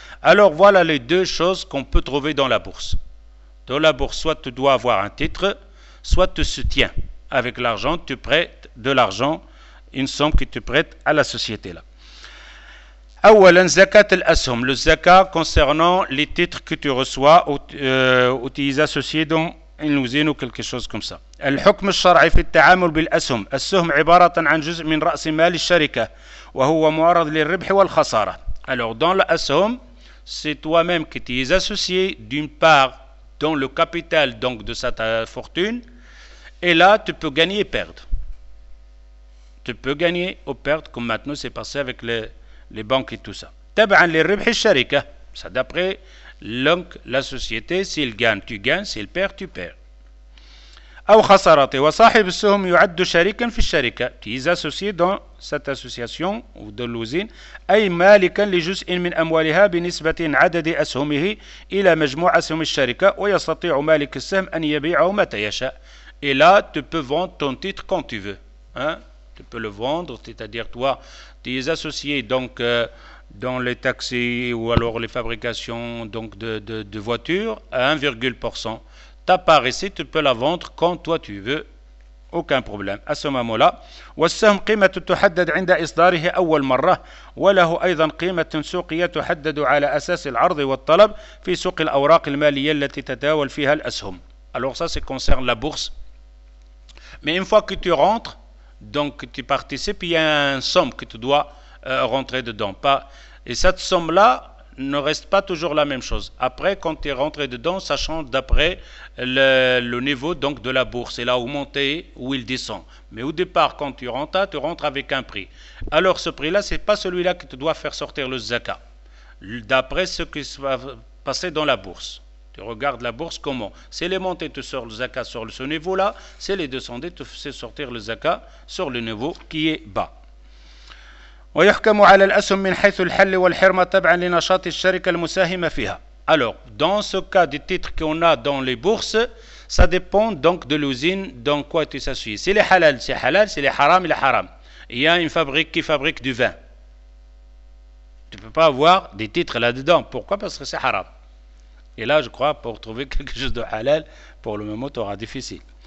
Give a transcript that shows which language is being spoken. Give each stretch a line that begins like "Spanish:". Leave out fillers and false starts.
French: Alors, voilà les deux choses qu'on peut trouver dans la bourse. Dans la bourse, soit tu dois avoir un titre, soit tu soutiens avec l'argent, tu prêtes de l'argent, une somme que tu prêtes à la société là.
Arabic: Awalan, zakat al-asum,
French: le zakat concernant les titres que tu reçois ou tu es associé dans une usine ou quelque chose comme ça.
Arabic: الحكم الشرعي في التعامل بالأسهم السهم عبارة عن جزء من رأس مال الشركة وهو معرض للربح والخسارة.
French: Alors, dans l'asum, c'est toi-même qui t'es associé d'une part dans le capital, donc de sa fortune, et là, tu peux gagner et perdre. Tu peux gagner ou perdre, comme maintenant c'est passé avec les banques et tout ça.
Arabic: Taban
French: les ribh sharika, ça d'après la société, s'il gagne, tu gagnes, s'il perd, tu perds.
Arabic: Ou khasarati, ou sahib souhum yu'addu sharikan fi sharika,
French: tu es associé dans cette association ou de l'usine,
Arabic: أي مالكا لجزء من أموالها بنسبة عدد أسهمه إلى مجموع أسهم الشركة ويستطيع مالك السهم أن يبيعه متى يشاء.
French: Et là, tu peux vendre ton titre quand tu veux. Hein? Tu peux le vendre, c'est-à-dire toi, tu es associé donc, dans les taxis ou alors les fabrications donc, de voitures à 1,1%. Ta part ici, tu peux la vendre quand toi tu veux. Aucun problème. À ce moment-là,
Arabic: والسهم قيمته تحدد عند إصداره أول مرة وله أيضا قيمة سوقية تحدد على أساس العرض والطلب في سوق الأوراق المالية التي تتداول فيها الأسهم.
French: Alors ça, c'est concerne la bourse. Mais une fois que tu rentres, donc tu participes, il y a une somme que tu dois rentrer dedans. Et cette somme-là, ne reste pas toujours la même chose. Après, quand tu es rentré dedans, ça change d'après le niveau donc de la bourse. Et là, où monter, où il descend. Mais au départ, quand tu rentres avec un prix. Alors, ce prix-là, ce n'est pas celui-là qui te doit faire sortir le zakat. D'après ce qui va passer dans la bourse. Tu regardes la bourse comment? Si les montées te sortent le zakat sur ce niveau-là, si les descendants te font sortir le zakat sur le niveau qui est bas.
Arabic: ويحكم على الأسهم من حيث الحل والحرمة تبعا لنشاط الشركة المساهمة فيها.
French: Alors, dans ce cas des titres qu'on a dans les bourses, ça dépend donc de l'usine dans quoi tu s'assois. Si les halal, c'est halal, si les haram, c'est haram. Il y a une fabrique qui fabrique du vin. Tu ne peux pas avoir des titres là-dedans. Pourquoi? Parce que c'est haram. Et là, je crois, pour trouver quelque chose de halal, pour le moment, tu auras difficile.